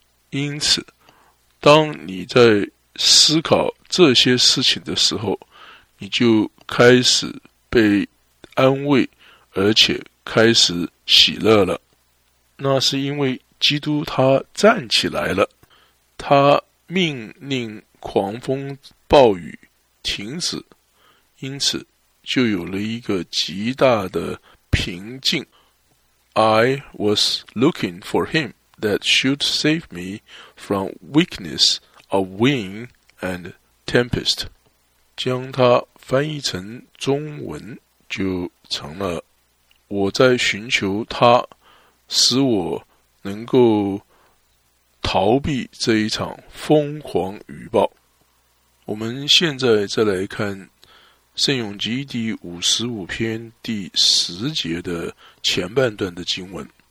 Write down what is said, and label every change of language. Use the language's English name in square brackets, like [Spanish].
[Chinese] 因此当你在思考这些事情的时候，你就开始被安慰，而且开始喜乐了。那是因为基督他站起来了，他命令狂风暴雨停止，因此就有了一个极大的平静。 [English] I was looking for him that should save me from weakness of wind and tempest. [Chinese] 将它翻译成中文就成了，我在寻求他使我能够逃避这一场疯狂雨暴。我们现在再来看圣咏集第55篇第10节的前半段的经文。